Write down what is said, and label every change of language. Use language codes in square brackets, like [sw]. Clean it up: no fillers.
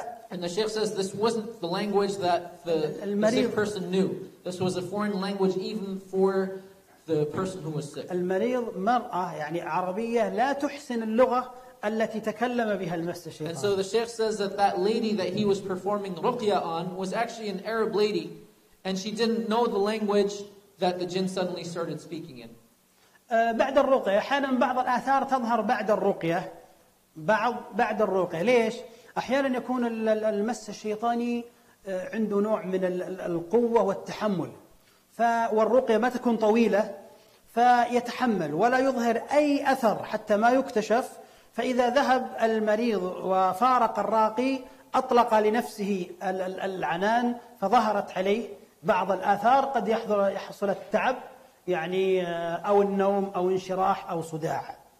[en] And the sheikh says this wasn't the language that the sick person knew. This was a foreign language even for the person who was sick. [ar] المريض مرأة يعني عربية لا تحسن اللغة التي تكلم بها المس الشيطان. [en] And so the sheikh says that lady that he was performing ruqya on was actually an Arab lady, and she didn't know the language that the jinn suddenly started speaking in. [ar] بعد الرقية أحيانا بعض الآثار تظهر بعد الرقية بعد الرقية ليش؟ أحيانا يكون المس الشيطاني عنده نوع من القوة والتحمل والرقية ما تكون طويلة فيتحمل ولا يظهر أي أثر حتى ما يكتشف فإذا ذهب المريض وفارق الراقي أطلق لنفسه العنان فظهرت عليه بعض الآثار قد يحصل التعب يعني أو النوم أو انشراح أو صداع